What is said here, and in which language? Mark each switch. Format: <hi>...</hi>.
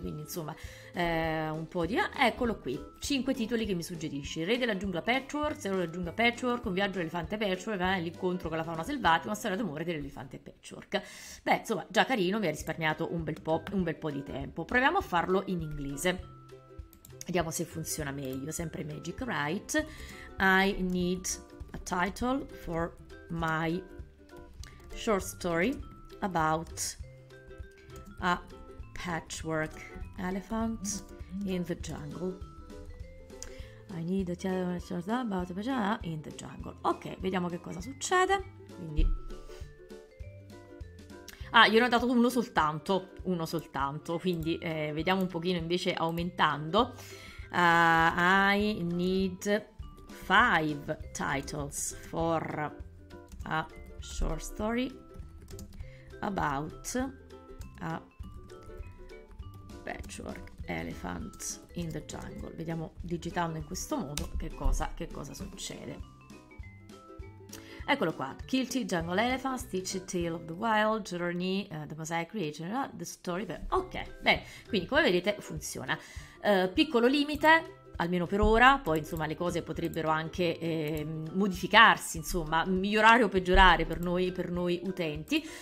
<it>Quindi insomma un po' di, eccolo qui, 5 titoli che mi suggerisci: Re della giungla patchwork, Zero della giungla patchwork, Un viaggio dell'elefante patchwork, L'incontro con la fauna selvatica, Una storia d'amore dell'elefante patchwork. Beh, insomma, già carino, mi ha risparmiato un bel po' di tempo. Proviamo a farlo in inglese, vediamo se funziona meglio, sempre Magic Write.</it> <en>I need a title for my short story about a patchwork elephant in the jungle. I need a title about a patchwork in the jungle.</en> <it>Ok, vediamo che cosa succede. Quindi, io ne ho dato uno soltanto, quindi vediamo un pochino invece aumentando.</it> <en>I need 5 titles for a short story about a patchwork elephant in the jungle.</en> <it>Vediamo, digitando in questo modo, che cosa succede. Eccolo qua:</it> <en>Kilty Jungle Elephant, Stitched Tale of the Wild, Journey, The Mosaic Creation, The Story.</en> <it>Ok, bene, quindi come vedete funziona. Piccolo limite, almeno per ora, poi insomma le cose potrebbero anche modificarsi, insomma migliorare o peggiorare per noi utenti.</it>